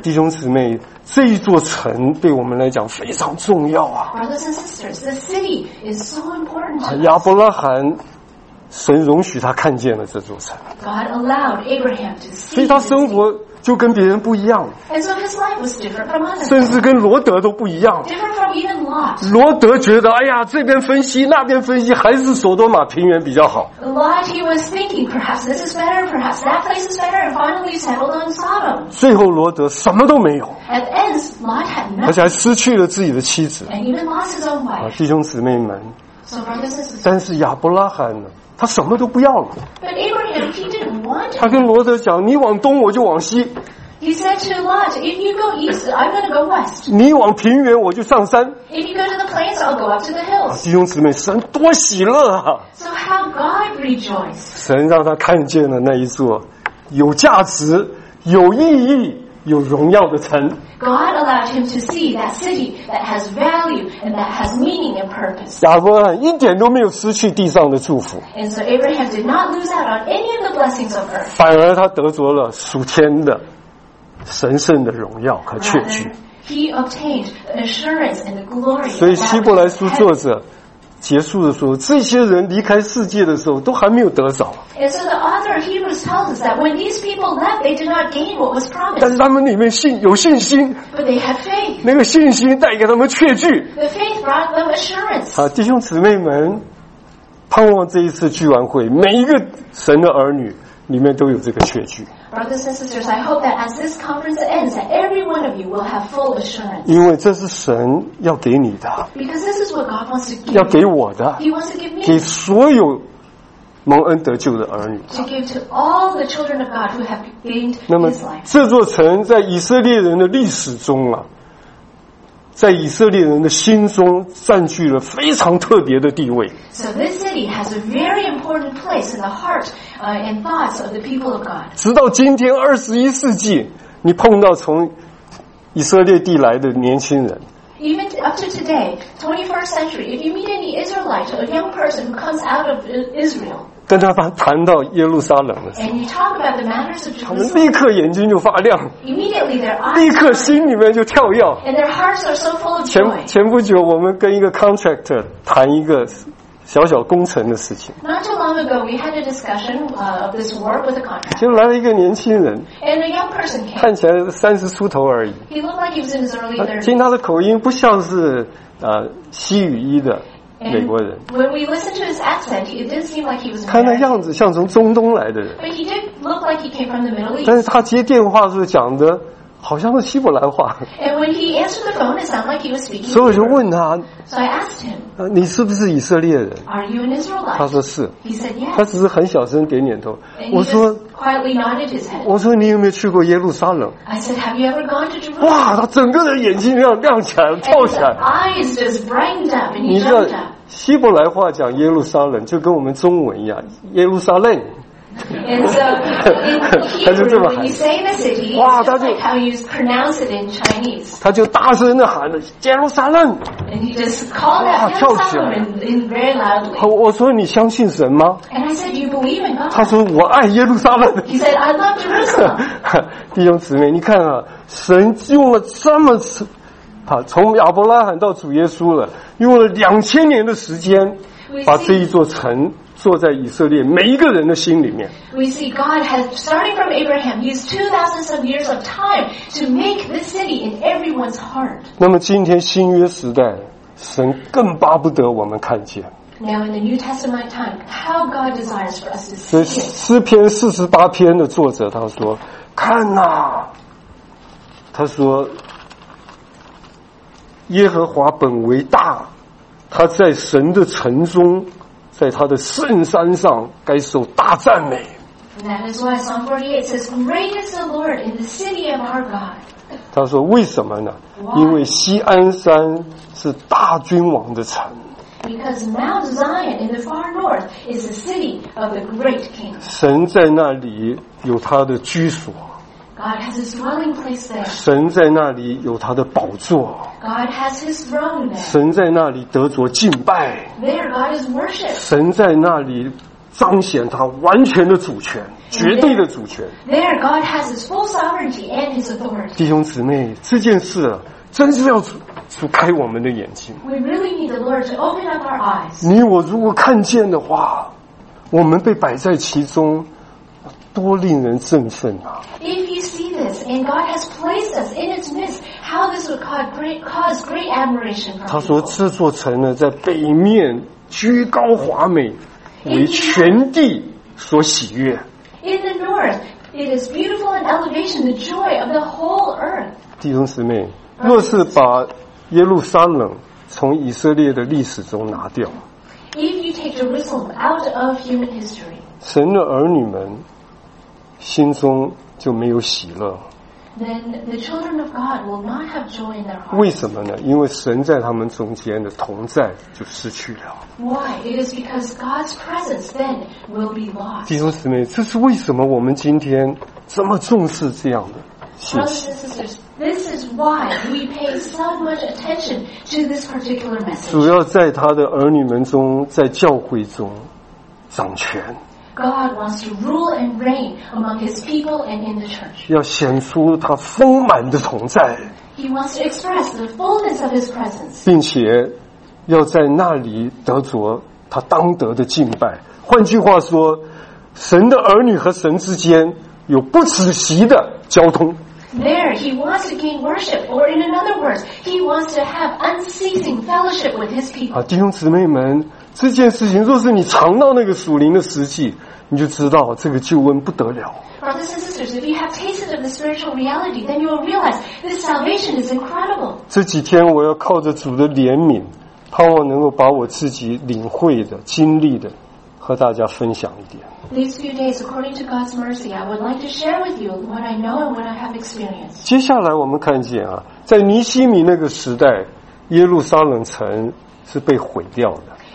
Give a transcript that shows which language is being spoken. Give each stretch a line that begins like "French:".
Chinese: 弟兄姊妹，这一座城对我们来讲非常重要啊。
English: Brothers and sisters, the city is so important to us.
Chinese: 亚伯拉罕，神容许他看见了这座城。
English: God allowed Abraham to see.
Chinese: 所以他生活就跟别人不一样。
English: And so his life was different from others.
Chinese: 甚至跟罗德都不一样。
English: Different from even Lot.
Chinese: 罗德觉得，哎呀，这边分析，那边分析，还是索多玛平原比较好。
English: Lot, he was thinking, perhaps this is better, perhaps that place is better, and finally settled on Sodom.
Chinese: 最后罗德什么都没有。
English: At the end, Lot had nothing.
Chinese: 而且还失去了自己的妻子。
English: And even lost his own wife.
Chinese: 弟兄姊妹们。
English: So brothers and sisters.
Chinese: 但是亚伯拉罕呢？他什么都不要了。
English: But Abraham, he didn't want it.
Chinese: 他跟罗德讲：“你往东，我就往西。”
English: He said to Lot, "If you go east, I'm going to go west."
Chinese: 你往平原，我就上山。
English: If you go to the plains, I'll go up to the hills.、
Chinese: 啊、弟兄姊妹，神多喜乐啊
English: ！So how God rejoiced.
Chinese: 神让他看见了那一座有价值、有意义、有荣耀的城。
English: God allowed him to see that city that has value and that has meaning and purpose.
Chinese: 亚伯拉罕一点都没有失去地上的祝福。
English: And so Abraham did not lose out on any of the blessings of earth.
Chinese: 反而他得着了属天的神圣的荣耀和确据。
English: He obtained assurance and glory.
Chinese: 所以希伯来书作者结束的时候，这些人离开世界的时候都还没有得着。
English: And so the author of Hebrews tells us that when these people left, they did not gain what was promised.
Chinese: 但是他们里面信有信心。
English: But they had faith.
Chinese: 那个信心带给他们确据。
English: The faith brought them assurance.
Chinese: 啊，弟兄姊妹们，盼望这一次聚完会，每一个神的儿女里面都有这个确据。
English: Brothers and sisters, I hope that as this conference ends, that every one of you will have full assurance.
Chinese: 因为这是神要给你的。
English: Because this is what God wants to give.
Chinese: 要给我的。
English: He wants to give me.
Chinese: 给所有蒙恩得救的儿女。
English: To give to all the children of God who have gained His life.
Chinese: 那么这座城在以色列人的历史中啊，在以色列人的心中占据了非常特别的地位。
English: So this city has a very important place in the heart, and thoughts of the people of God.
Chinese: 直到今天21世纪，你碰到从以色列地来的年轻人。
English: Even up to today, 21st century, if you meet any Israelite, a young person who comes out of Israel,
Chinese: 跟他谈到耶路撒冷的时候，
English: and you talk about the matters of Jerusalem,
Chinese: 他们立刻眼睛就发亮，
English: immediately their eyes,
Chinese: 立刻心里面就跳跃，
English: and their hearts are so full of joy.
Chinese: 前不久，我们跟一个 contractor 谈一个小小工程的事情。
English: Not too long ago, we had a discussion of this work with a contractor.
Chinese: 就来了一个年轻人。
English: And a young person came.
Chinese: 看起来30出头而已。
English: He looked like he was in his early 30s.
Chinese: 听他的口音不像是西语裔的美国人。
English: And when we listened to his accent, it didn't seem like he was.
Chinese: 看那样子像从中东来的人。
English: But he did look like he came from the Middle East.
Chinese: 但是他接电话的时候讲的好像是希伯来话。
English: And when he answered the phone, it sounded like he was speaking.
Chinese: 所以我就问他。
English: So I asked him.
Chinese: 你是不是以色列人？
English: Are you an Israelite?
Chinese: 他说是。
English: He said yes.
Chinese: 他只是很小声点点头。我说。
English: Quietly nodded his head.
Chinese: 我说你有没有去过耶路撒冷？
English: I said, have you ever gone to Jerusalem?
Chinese: 哇，他整个人眼睛亮起来，跳起来。
English: Eyes just brightened up and he jumped up.
Chinese: 希伯来话讲耶路撒冷就跟我们中文一样，耶路撒冷。
English: And so in Hebrew, when you say the city, it's just like how you pronounce it in Chinese.
Chinese: 他就大声地喊了耶路撒冷。
English: And he just called out Jerusalem in very loudly.
Chinese: 我说你相信神吗？
English: And I said, do you believe in God?
Chinese: 他说我爱耶路撒冷。
English: He said, I love Jerusalem.
Chinese: 弟兄姊妹，你看啊，神用了这么长，从亚伯拉罕到主耶稣了，用了2000年的时间，把这一座城坐在以色列每一个人的心里面。
English: We see God has, starting from Abraham, used 2,000 some years of time to make this city in everyone's heart.
Chinese: 那么今天新约时代，神更巴不得我们看见。
English: Now in the New Testament time, how God desires for us to see.
Chinese: 所以诗篇48篇的作者他说：“看哪、啊，他说，耶和华本为大，他在神的城中。” 在他的圣山上该受大赞美。
English: And that is why Psalm 48 says, Great is the Lord in the city of our God.
Chinese: 他说为什么呢？
English: Why?
Chinese: 因为锡安山是大君王的城。
English: Because Mount Zion in the far north is the city of the great king.
Chinese: 神在那里有他的居所。
English: God has his dwelling place there.
Chinese: 神在那里有他的宝座。
English: God has his throne there.
Chinese: 神在那里得着敬拜。
English: There God is worshipped.
Chinese: 神在那里彰显他完全的主权，绝对的主权。
English: There God has his full sovereignty and his authority.
Chinese: 弟兄姊妹，这件事真是要主开我们的眼睛。
English: We really need the Lord to open up our eyes.
Chinese: 你我如果看见的话，我们被摆在其中，多令人振奋啊！
English: If you see this and God has placed us in its midst, how this would cause great admiration from people.
Chinese: 他说这座城呢在北面居高华美，为全地所喜悦。
English: In the north, it is beautiful in elevation, the joy of the whole earth.
Chinese: 弟兄姊妹，若是把耶路撒冷从以色列的历史中拿掉，
English: If you take Jerusalem out of human history,
Chinese: 神的儿女们心中就没有喜乐。
English: Then the children of God will not have joy in their hearts.
Chinese: 为什么呢？因为神在他们中间的同在就失去了。
English: Why? It is because God's presence then will be lost.
Chinese: 弟兄姊妹，这是为什么我们今天这么重视这样的信息。
English: This is why we pay so much attention to this particular message.
Chinese: 主要在他的儿女们中，在教会中掌权。
English: God wants to rule and reign among His people and in the church.
Chinese: 要显出他丰满的同在。
English: He wants to express the fullness of His presence.
Chinese: 并且要在那里得着他当得的敬拜。换句话说，神的儿女和神之间有不止息的交通。
English: There, He wants to gain worship, or in another words, He wants to have unceasing fellowship with His people.
Chinese: 弟兄姊妹们，这件事情若是你尝到那个属灵的实际，你就知道这个救恩不得了。
English: Brothers and sisters, if you have tasted of the spiritual reality, then you will realize this salvation is incredible.
Chinese: 这几天我要靠着主的怜悯，盼望能够把我自己领会的经历的和大家分享一点。
English: These few days, according to God's mercy, I would like to share with you what I know and what I have experienced.
Chinese: 接下来我们看见啊，在尼希米那个时代，耶路撒冷城是被毁掉的。